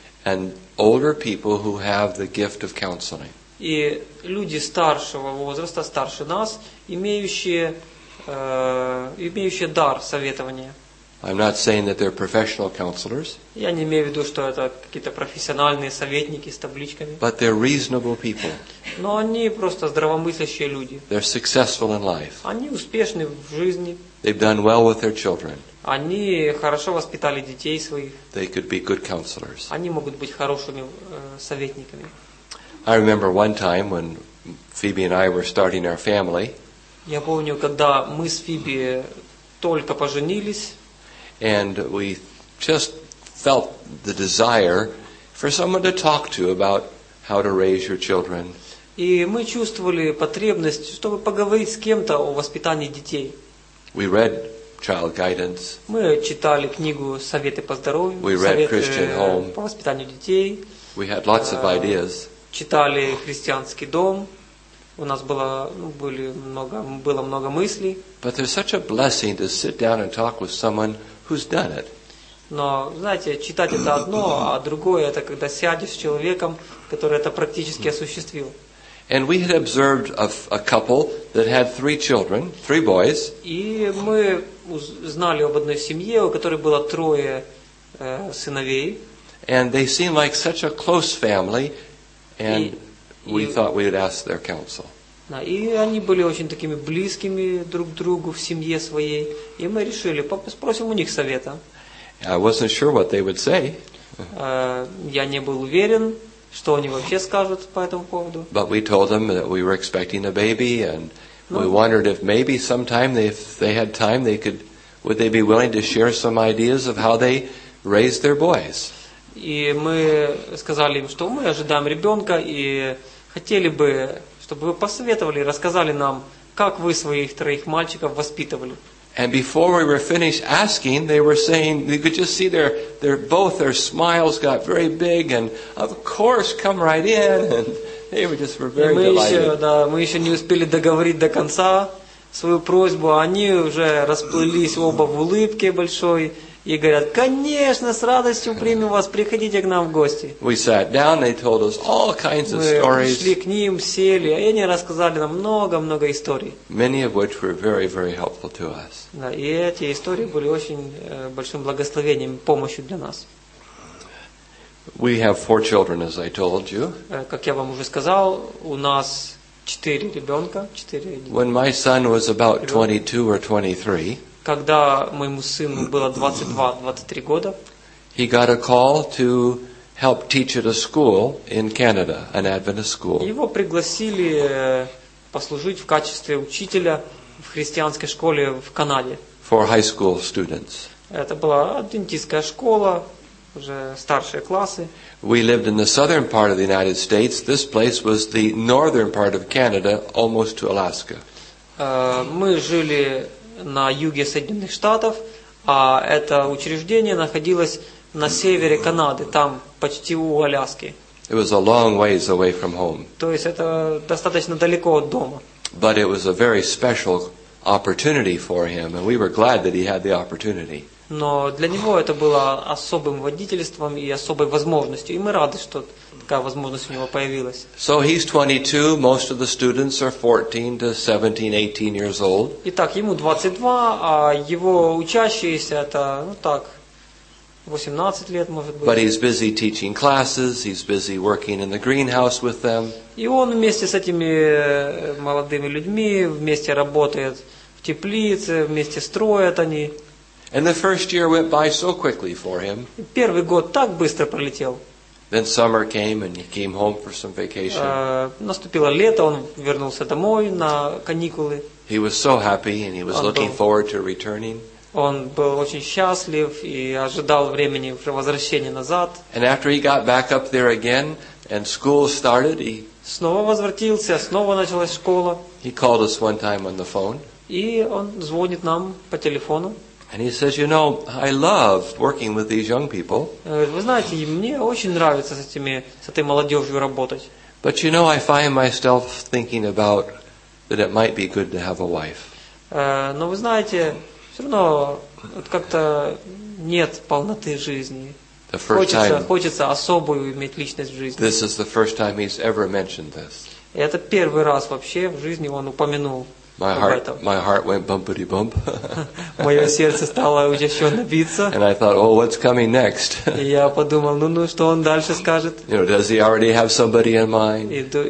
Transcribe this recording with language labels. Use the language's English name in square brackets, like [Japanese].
[English] And older people who have the gift of counseling. [Russian] И люди старшего возраста, старше нас, имеющие дар советования. [English] I'm not saying that they're professional counselors. [Russian] Я не имею в виду, что это какие-то профессиональные советники с табличками. [English] But they're reasonable people. [Russian] Но они просто здравомыслящие люди. [English] They're successful in life. [Russian] Они успешны в жизни. [English] They've done well with their children. [Russian] Они хорошо воспитали детей своих. [English] They could be good counselors. [Russian] Они могут быть хорошими советниками. [English] I remember one time when Phoebe and I were starting our family. [Russian] Я помню, когда мы с Фиби только поженились. [English] And we just felt the desire for someone to talk to about how to raise your children. [Russian] И мы чувствовали потребность, чтобы поговорить с кем-то о воспитании детей. [English] We read child guidance. [Russian] Мы читали книгу «Советы по здоровью». [English] We read Christian Home. [Russian] По воспитанию детей. [English] We had lots of ideas. [Russian] Читали «Христианский дом», у нас было много мыслей. [English] But there's such a blessing to sit down and talk with someone who's done it. [Russian] Но, знаете, читать это одно, а другое – это когда сядешь с человеком, который это практически осуществил. [English] And we had observed a couple that had three children, three boys. [Russian] И мы знали об одной семье, у которой было трое сыновей. [English] And they seemed like such a close family. And we thought we would ask their counsel. [Russian] Да, и они были очень такими близкими друг к другу в семье своей, и мы решили спросим у них совета. [English] I wasn't sure what they would say. [Russian] Я не был уверен, что они вообще скажут по этому поводу. [English] But we told them that we were expecting a baby, and we wondered if maybe sometime if they had time, they could, would they be willing to share some ideas of how they raised their boys? [Russian] И мы сказали им, что мы ожидаем ребенка, и хотели бы, чтобы вы посоветовали, рассказали нам, как вы своих троих мальчиков воспитывали. [English] And before we were finished asking, they were saying, you could just see their smiles got very big, and of course, come right in, and they were just were very delighted. [Russian] Мы еще не успели договорить до конца свою просьбу, они уже расплылись оба в улыбке большой. И говорят, конечно, с радостью примем вас, приходите к нам в гости. [English] We sat down, they told us all kinds of stories. [Russian] Мы пришли к ним, сели, и они рассказали нам много-много историй. [English] Many of which were very, very helpful to us. [Russian] Да, и эти истории были очень большим благословением, помощью для нас. [English] We have four children, as I told you. [Russian] Как я вам уже сказал, у нас четыре ребенка, четыре. [English] When my son was about 22 or 23, [Russian] когда моему сыну было 22-23 года, [English] he got a call to help teach at a school in Canada, an Adventist school. [Russian] Его пригласили послужить в качестве учителя в христианской школе в Канаде. [English] For high school students. [Russian] Это была адвентистская школа, уже старшие классы. [English] We lived in the southern part of the United States. This place was the northern part of Canada, almost to Alaska. [Russian] Мы жили на юге Соединенных Штатов, а это учреждение находилось на севере Канады, там почти у Аляски. [English] It was a long ways away from home. [Russian] То есть это достаточно далеко от дома. [English] But it was a very special opportunity for him, and we were glad that he had the opportunity. [Russian] Но для него это было особым водительством и особой возможностью. И мы рады, что такая возможность у него появилась. [English] So he's 22, most of the students are 14 to 17, 18 years old. [Russian] Итак, ему 22, а его учащиеся это, ну так, 18 лет, может быть. [English] But he's busy teaching classes, he's busy working in the greenhouse with them. [Russian] И он вместе с этими молодыми людьми вместе работает в теплице, вместе строят они. [English] And the first year went by so quickly for him. [Russian] Первый год так быстро пролетел. [English] Then summer came and he came home for some vacation. [Russian] Наступило лето, он вернулся домой на каникулы. [English] He was so happy and he was looking forward to returning. [Russian] Он был очень счастлив и ожидал времени возвращения назад. [English] And after he got back up there again and school started, he [Russian] снова возвратился, снова началась школа. [English] He called us one time on the phone. [Russian] И он звонит нам по телефону. [English] And he says, you know, I love working with these young people. [Russian] Вы знаете, мне очень нравится с этими с этой молодёжью работать. [English] But you know, I find myself thinking about that it might be good to have a wife. [Russian] Но вы знаете, всё равно вот как-то нет полноты жизни. [English] The first [Russian] хочется особую иметь личность в жизни. [English] This is the first time he's ever mentioned this. [Russian] Это первый раз вообще в жизни он упомянул. [English] My heart went bumpity bump. [Russian] Моё сердце стало учащённо биться. [English] And I thought, oh, what's coming next? [Russian] Я подумал, ну что он дальше скажет? [English] You know, does he already have somebody in mind?